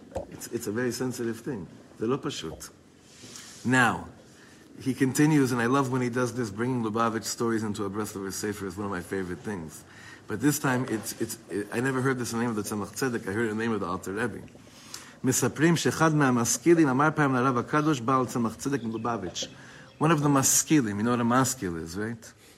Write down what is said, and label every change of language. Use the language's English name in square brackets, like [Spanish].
[English] It's a very sensitive thing. [Hebrew] זה לא פשוט. [English] Now, he continues, and I love when he does this, bringing Lubavitch stories into a breath of a sefer is one of my favorite things. But this time, I never heard this in the name of the Tzemach Tzedek, I heard it in the name of the Alter Rebbe. [Hebrew] מספרים שאחד מהמשכילים אמר פעם לרב הקדוש בעל צמח צדק מלובביץ'. [English] One of the maskilim, you know what a maskil is, right?